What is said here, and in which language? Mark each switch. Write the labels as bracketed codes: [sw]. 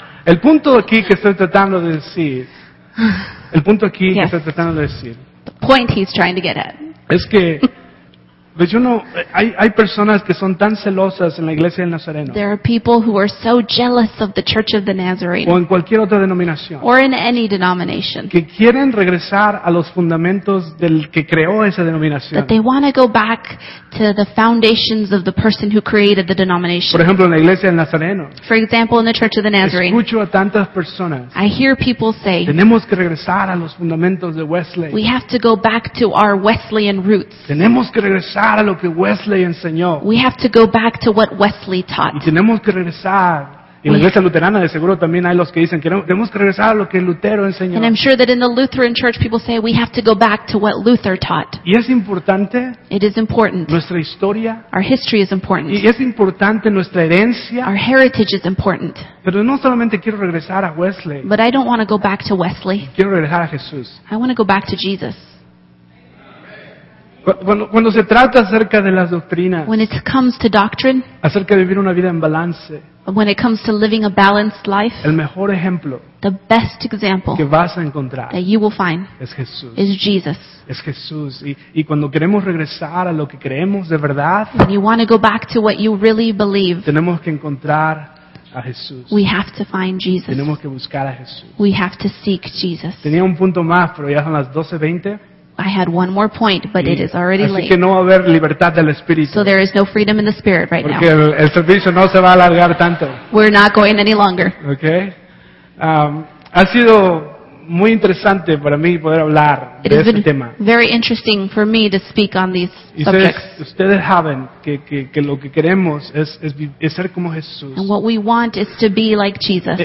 [es] El punto aquí que estoy tratando de decir. El punto aquí que estoy tratando de decir. [en] The point he's trying to get at. [es] Es que... Pero yo no, hay personas que son tan celosas en la iglesia del Nazareno. [en] There are people who are so jealous of the Church of the Nazarene. [es] O en cualquier otra denominación. [en] Or in any denomination. [es] Que quieren regresar a los fundamentos del que creó esa denominación. [en] That they want to go back to the foundations of the person who created the denomination. [es] Por ejemplo, en la iglesia del Nazareno. [en] For example, in the Church of the Nazarene. [es] Escucho a tantas personas. [en] I hear people say. [es] Tenemos que regresar a los fundamentos de Wesley. [en] We have to go back to our Wesleyan roots. [es] Tenemos que regresar a lo que Wesley enseñó. [en] We have to go back to what Wesley taught. [es] Y tenemos que regresar. Y en la iglesia luterana de seguro también hay los que dicen que tenemos que regresar a lo que Lutero enseñó. [en] And I'm sure that in the Lutheran church people say we have to go back to what Luther taught. [es] Y es importante. [en] It is important. [es] Nuestra historia. [en] Our history is important. [es] Y es importante nuestra herencia. [en] Our heritage is important. [es] Pero no solamente quiero regresar a Wesley. [en] But I don't want to go back to Wesley. [es] Quiero regresar a Jesús. [en] I want to go back to Jesus. [es] Cuando se trata acerca de las doctrinas, [en] when it comes to doctrine, [es] acerca de vivir una vida en balance, [en] when it comes to living a balanced life, [es] el mejor ejemplo, [en] the best example [es] que vas a encontrar, [en] that you will find, [es] es Jesús, [en] is Jesus. [es] Es Jesús. Y cuando queremos regresar a lo que creemos de verdad, [en] when you want to go back to what you really believe, [es] tenemos que encontrar a Jesús. [en] We have to find Jesus. [es] Tenemos que buscar a Jesús. [en] We have to seek Jesus. [es] Tenía un punto más, pero ya son las 12:20. [en] I had one more point, but it is already [es] así [en] late. [es] Que no va a haber libertad del espíritu. [en] So there is no freedom in the spirit right [es] porque [en] now. [es] El servicio no se va a alargar tanto. [en] We're not going any longer. Okay. [es] Ha sido muy interesante para mí poder hablar [en] it [es] de [en] has [es] este [en] been [es] tema. [en] Very interesting for me to speak on these [es] y [en] subjects. [es] Ustedes saben que lo que queremos es ser como Jesús. [en] And what we want is to be like Jesus.